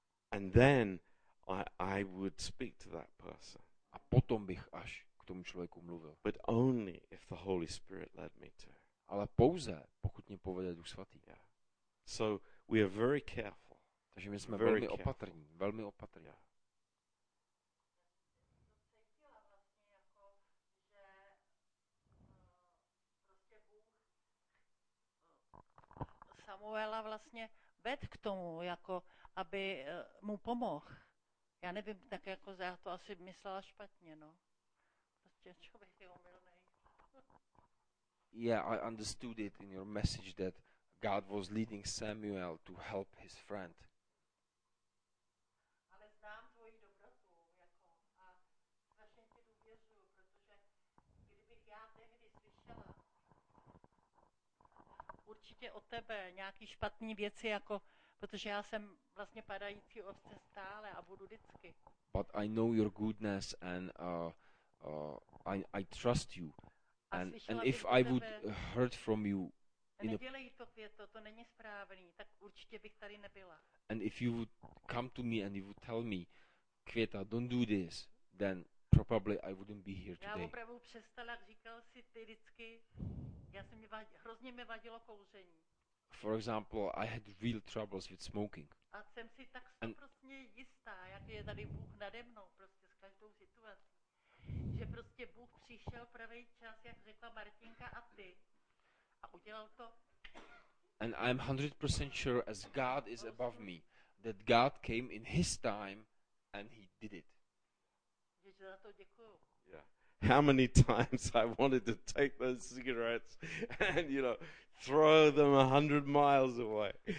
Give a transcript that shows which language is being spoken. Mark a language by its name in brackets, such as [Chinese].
[English] And then I would speak to that person. [Czech] A potom bych až k tomu člověku mluvil. [English] But only if the Holy Spirit led me to. [Czech] Ale pouze, pokud mě povede Duch Svatý. [English] Yeah. So we are very careful. [Czech] Takže my jsme [English] very [Czech] velmi [English] careful. [Czech] Opatrní, velmi opatrní. [English] Yeah. [Czech] Samuela vlastně ved k tomu, jako aby mu pomohl. Já nevím, tak jako já to asi myslela špatně, no. Prostě člověk je omylnej. [English] Yeah, I understood it in your message that God was leading Samuel to help his friend. [Czech] Ale znám tvoji dobrotu, jako, a strašně ti důvěřuju, protože kdybych já tehdy slyšela určitě od tebe nějaký špatný věci, jako, protože já jsem vlastně padající ovce stále a budu vždycky. [English] But I know your goodness and I trust you. And if I would heard from you, [Czech] nedělej to, Květo, to není správný, tak určitě bych tady nebyla. [English] And if you would come to me and you would tell me, Květa, don't do this, then probably I wouldn't be here today. [Czech] Já opravdu přestala, říkal si ty vždycky, já jsem hrozně mi vadilo kouření. [English] For example, I had real troubles with smoking. [Czech] A jsem si tak stoprostně jistá, jak je tady Bůh nade mnou, prostě s každou situací. Že prostě Bůh přišel pravý čas, jak řekla Martinka a ty, a udělal to. [English] And I'm 100% sure, as God is above me, that God came in his time and he did it. [Czech] Že za to děkuju. [English] Yeah. How many times I wanted to take those cigarettes and, you know, throw them 100 miles away.